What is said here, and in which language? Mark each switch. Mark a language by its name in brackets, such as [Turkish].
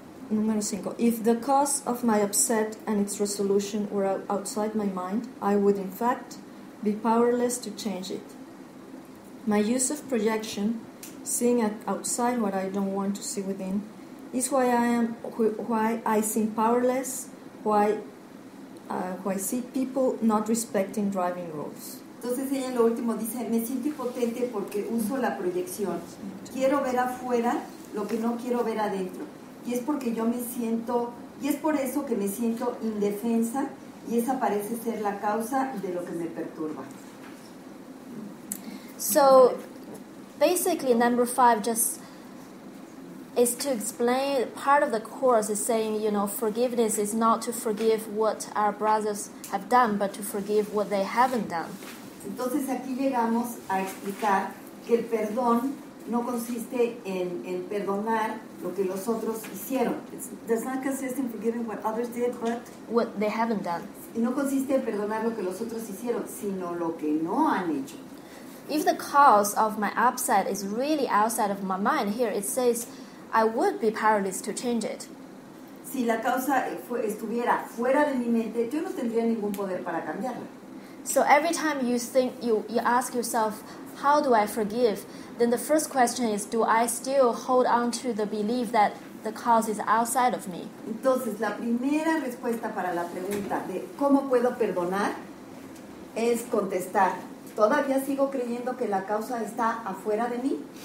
[Spanish] Número 5. [English] If the cause of my upset and its resolution were outside my mind, I would in fact be powerless to change it. My use of projection, seeing outside what I don't want to see within, is why I seem powerless, why I see people not respecting driving rules. [Spanish] Entonces ella en lo último dice, me siento impotente porque uso la proyección. Quiero ver afuera lo que no quiero ver adentro. Y es por eso que me siento indefensa y esa parece ser la causa de lo que me perturba. [English] So, basically number five just is to explain, part of the course is saying, you know, forgiveness is not to forgive what our brothers have done, but to forgive what they haven't done. [Spanish] Entonces aquí llegamos a explicar que el perdón no consiste en perdonar lo que los otros hicieron. [English] Does not consist in forgiving what others did, but what they haven't done. [Spanish] Y no consiste en perdonar lo que los otros hicieron, sino lo que no han hecho. [English] If the cause of my upset is really outside of my mind, here it says, I would be powerless to change it. [Spanish] Si la causa estuviera fuera de mi mente, yo no tendría ningún poder para cambiarla. [English] So every time you think, you ask yourself, how do I forgive? Then the first question is, do I still hold on to the belief that the cause is outside of me? [Spanish] Entonces, la primera respuesta para la pregunta de cómo puedo perdonar es contestar, ¿todavía sigo creyendo que la causa está afuera de mí?